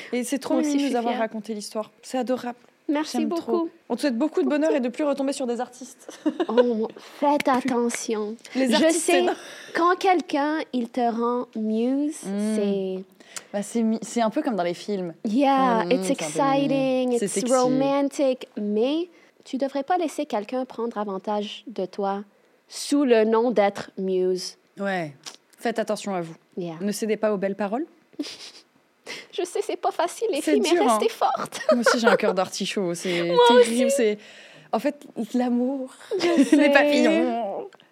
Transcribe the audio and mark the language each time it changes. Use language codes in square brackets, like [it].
[fr] Et c'est trop mignon de nous avoir raconté l'histoire. C'est adorable. Merci J'aime beaucoup. Trop. On te souhaite beaucoup de bonheur et de plus retomber sur des artistes. Oh, faites attention. Les artistes, je sais, quand quelqu'un, il te rend muse, c'est... Bah, c'est un peu comme dans les films. [en] Yeah, it's exciting, it's sexy. Romantic. [fr] Mais tu ne devrais pas laisser quelqu'un prendre avantage de toi sous le nom d'être muse. Ouais, faites attention à vous. [en] Yeah. [fr] Ne cédez pas aux belles paroles. Je sais, c'est pas facile, les filles, mais restez fortes. Moi aussi, j'ai un cœur d'artichaut, c'est terrible. C'est... En fait, l'amour, les papillons.